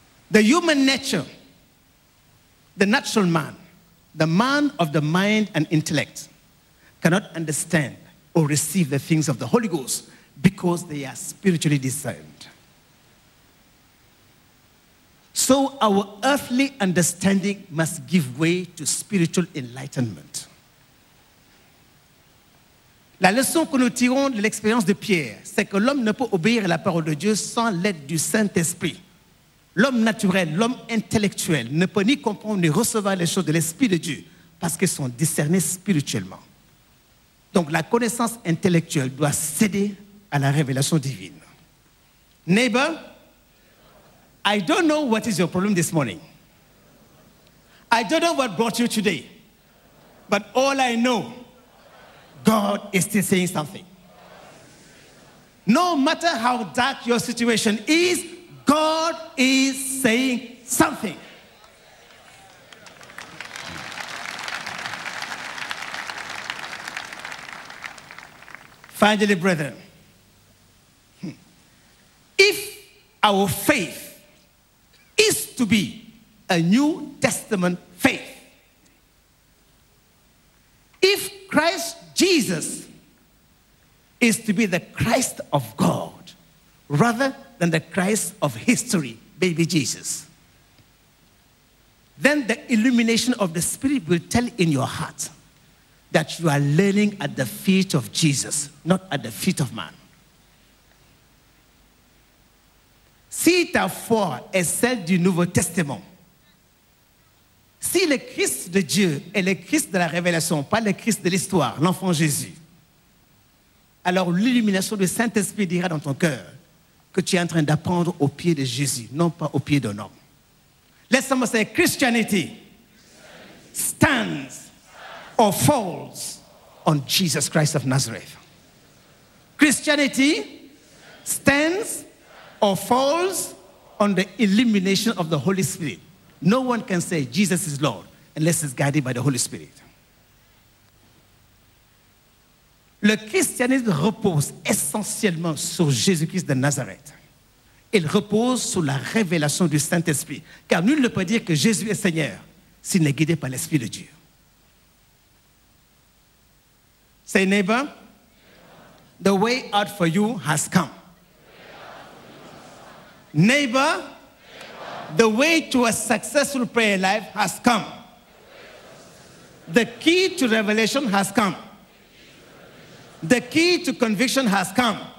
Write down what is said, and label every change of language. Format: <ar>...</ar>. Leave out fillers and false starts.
<en>The human nature, the natural man, the man of the mind and intellect, cannot understand or receive the things of the Holy Ghost because they are spiritually discerned. So our earthly understanding must give way to spiritual enlightenment.</en> <fr>La leçon que nous tirons de l'expérience de Pierre, c'est que l'homme ne peut obéir à la parole de Dieu sans l'aide du Saint-Esprit. L'homme naturel, l'homme intellectuel, ne peut ni comprendre ni recevoir les choses de l'Esprit de Dieu parce qu'ils sont discernés spirituellement. Donc la connaissance intellectuelle doit céder à la révélation divine.</fr> <en>Neighbor, I don't know what is your problem this morning. I don't know what brought you today. But all I know, God is still saying something. No matter how dark your situation is, God is saying something. Finally, brethren, if our faith is to be a New Testament faith, if Christ Jesus is to be the Christ of God rather than the Christ of history, baby Jesus, then the illumination of the Spirit will tell in your heart that you are learning at the feet of Jesus, not at the feet of man.</en> <fr>Si ta foi est celle du Nouveau Testament, si le Christ de Dieu est le Christ de la révélation, pas le Christ de l'histoire, l'enfant Jésus, alors l'illumination du Saint-Esprit dira dans ton cœur que tu es en train d'apprendre au pied de Jésus, non pas au pied d'un homme. Laisse-moi dire,</fr> <en>Christianity stands or falls on Jesus Christ of Nazareth. Christianity stands or falls on the illumination of the Holy Spirit. No one can say Jesus is Lord unless he's guided by the Holy Spirit.</en> <fr>Le christianisme repose essentiellement sur Jésus-Christ de Nazareth. Il repose sur la révélation du Saint-Esprit. Car nul ne peut dire que Jésus est Seigneur s'il n'est guidé par l'Esprit de Dieu.</fr> <en>Say, neighbor, the way out for you has come. Neighbor, the way to a successful prayer life has come. The key to revelation has come. The key to conviction has come.</en>